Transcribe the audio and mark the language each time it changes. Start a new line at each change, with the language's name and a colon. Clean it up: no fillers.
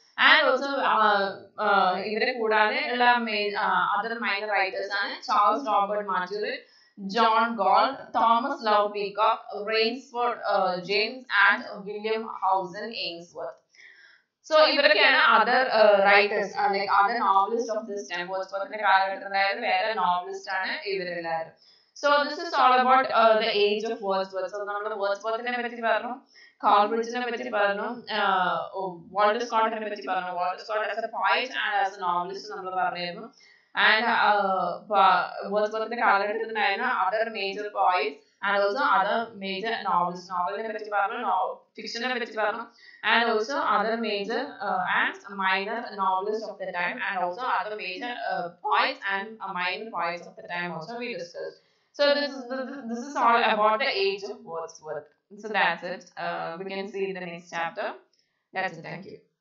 English: And also,
Malayalam: ഇവരെ കൂടാതെ ഉള്ള
English: other minor writers ആണ് Charles Robert Maturin, John Gall, Thomas Love Peacock, Rainsford James and William Howson Ainsworth. So ഇവരൊക്കെയാണ് other writers like other novelist of this time.
Malayalam: വേർഡ്സ്വർത്തിന്റെ കാലഘട്ടത്തിലായാലും വേറെ novelist ആണ് ഇവരെല്ലാവരും.
English: So this is all about the age of Wordsworth.
Malayalam: So നമ്മൾ വേർഡ്സ്വർത്തിനെ പറ്റി പറഞ്ഞു, call ബ്രിഡ്ജിനെ പറ്റി പറഞ്ഞു, Walter സ്കോട്ടിനെ പറ്റി പറഞ്ഞു.
English: Walter Scott as a poet and as a novelist
Malayalam: നമ്മൾ പറഞ്ഞിരുന്നു.
English: and
Malayalam: വേർഡ്സ്വർത്തിന്റെ കാലഘട്ടത്തിനായിരുന്നു
English: Other major poets and also other major novelist.
Malayalam: നോവലിനെ പറ്റി പറഞ്ഞു, ഫിക്ഷനെ പറ്റി പറഞ്ഞു
English: And also other major and minor novelist of the time and also other major poets and minor poets of the time also we discuss. So this is all about the age of Wordsworth. So that's it. We can see the next chapter. That's it. Thank you.